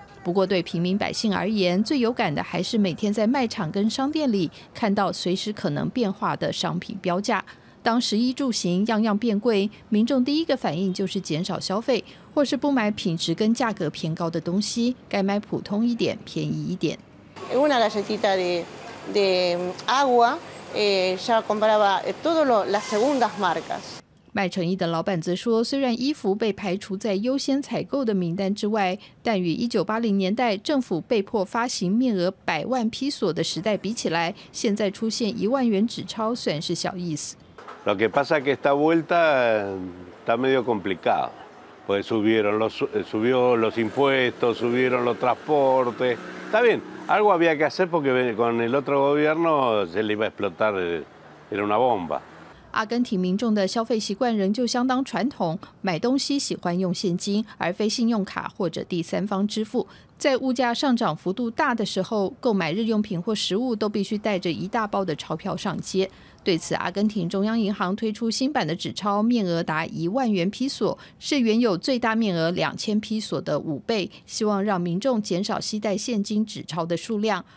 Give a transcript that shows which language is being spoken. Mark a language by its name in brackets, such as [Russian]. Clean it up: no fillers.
[Chinese] 不过，对平民百姓而言，最有感的还是每天在卖场跟商店里看到随时可能变化的商品标价。当食衣住行样样变贵，民众第一个反应就是减少消费，或是不买品质跟价格偏高的东西，改买普通一点、便宜一点。 [Spanish] Una galletita de agua, ya compraba todas las segundas marcas。 [Chinese] 卖成衣的老板则说，虽然衣服被排除在优先采购的名单之外，但与1980年代政府被迫发行面额10,000披索的时代比起来，现在出现10,000元纸钞算是小意思。 [Spanish] Lo que pasa es que esta vuelta está medio complicado, pues subió los impuestos, subieron los transportes. Está bien, algo había que hacer porque con el otro gobierno se le iba a explotar, era una bomba. [Chinese] 阿根廷民众的消费习惯仍旧相当传统，买东西喜欢用现金，而非信用卡或者第三方支付。在物价上涨幅度大的时候，购买日用品或食物都必须带着一大包的钞票上街。对此，阿根廷中央银行推出新版的纸钞，面额达10,000元披索，是原有最大面额2,000披索的5倍，希望让民众减少携带现金纸钞的数量。